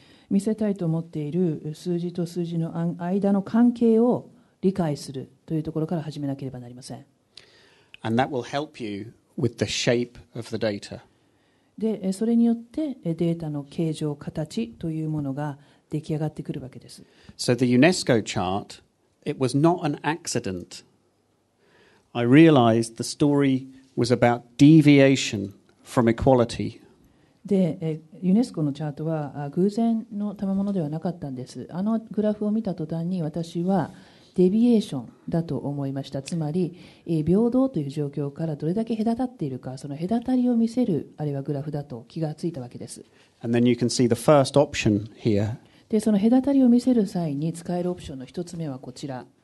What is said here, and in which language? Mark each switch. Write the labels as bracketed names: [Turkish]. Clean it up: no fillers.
[Japanese] 見せたいと思っている数字と数字の間の関係を理解するというところから始めなければなりません。 [English] And that will help you with the shape of the data. [Japanese] で、それによってデータの形状、形というものが出来上がってくるわけです。 [English] So the UNESCO chart, it was not an accident. I realized the story was about deviation from equality. [Japanese] で、ユネスコのチャートは偶然の賜物ではなかったんです。あのグラフを見た途端に私はデビエーションだと思いました。つまり平等という状況からどれだけ隔たっているか、その隔たりを見せるあれはグラフだと気がついたわけです。 [English] And then you can see the first option here. [Japanese] で、その隔たりを見せる際に使えるオプションの一つ目はこちら。